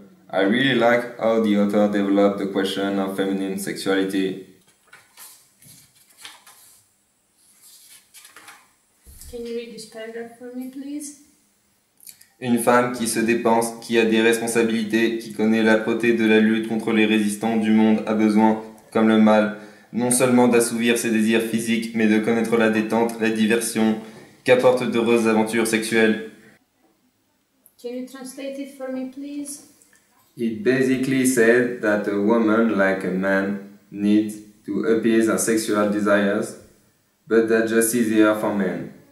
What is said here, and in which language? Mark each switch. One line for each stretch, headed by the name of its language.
English: I really like how the author developed the question of feminine sexuality. Can you read this paragraph for me, please?
French: Une femme qui se dépense, qui a des responsabilités, qui connaît l'âpreté de la lutte contre les résistants du monde a besoin, comme le mâle, non seulement d'assouvir ses désirs physiques, mais de connaître la détente, la diversion, qu'apportent d'heureuses aventures sexuelles.
English: Can you translate it for me, please? It basically said that a woman, like a man, needs to appease her sexual desires, but that's just easier for men.